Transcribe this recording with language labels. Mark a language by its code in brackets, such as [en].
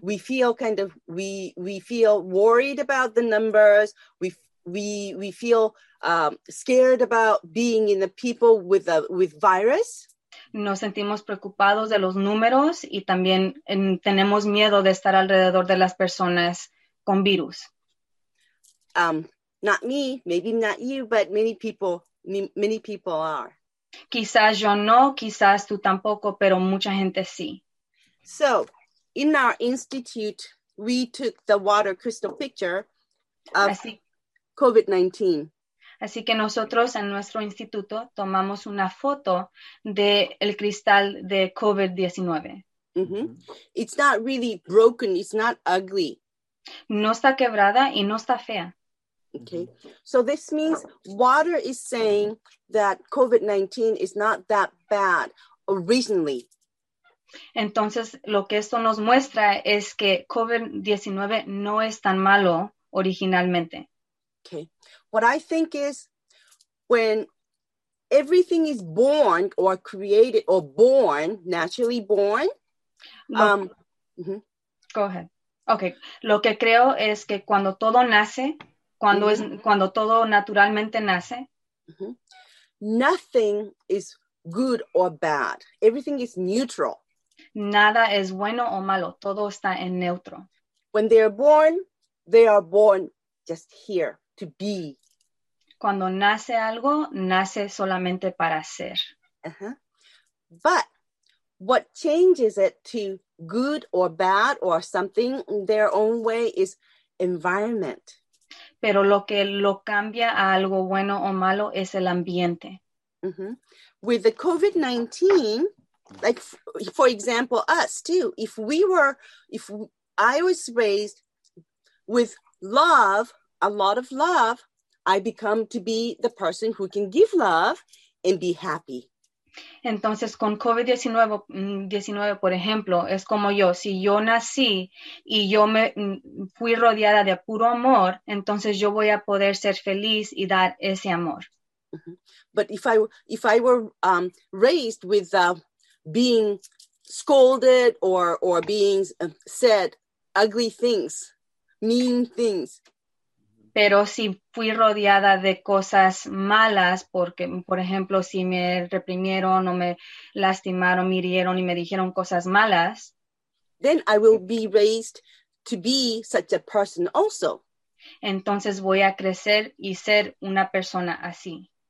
[en] we feel kind of we feel worried about the numbers. We feel scared about being in the people with virus. [es] Nos sentimos preocupados de los números y también tenemos miedo de estar alrededor de las personas con virus. [en] Not me, maybe not you, but many people are. [es] Quizás yo no, quizás tú tampoco, pero mucha gente sí. [en] So, in our institute, we took the water crystal picture of COVID-19. [es] Así que nosotros en nuestro instituto tomamos una foto del cristal de COVID-19. [en] Mm-hmm. It's not really broken, it's not ugly. [es] No está quebrada y no está fea. [en] Okay, so this means water is saying that COVID-19 is not that bad originally. [es] Entonces, lo que esto nos muestra es que COVID-19 no es tan malo originalmente. [en] Okay, what I think is when everything is born or created or born, naturally born. Go ahead. [es] Okay, lo que creo es que cuando todo nace, cuando es cuando todo naturalmente nace. [en] Mm-hmm. Nothing is good or bad. Everything is neutral. [es] Nada es bueno o malo. Todo está en neutro. [en] When they are born just here to be. [es] Cuando nace algo, nace solamente para ser. Uh-huh. [en] But what changes it to good or bad or something their own way is environment. [es] Pero lo que lo cambia a algo bueno o malo es el ambiente. Mm-hmm. [en] With the COVID-19, like for example, us too. If I was raised with love, a lot of love, I become to be the person who can give love and be happy. [es] Entonces, con COVID-19, por ejemplo, es como yo. Si yo nací y yo me fui rodeada de puro amor, entonces yo voy a poder ser feliz y dar ese amor. Mm-hmm. [en] But if I were raised with being scolded or being said ugly things, mean things. [es] Pero si fui rodeada de cosas malas, porque, por ejemplo, si me reprimieron o me lastimaron, me hirieron y me dijeron cosas malas. [en] Then I will be raised to be such a person also. [es] Entonces voy a crecer y ser una persona así.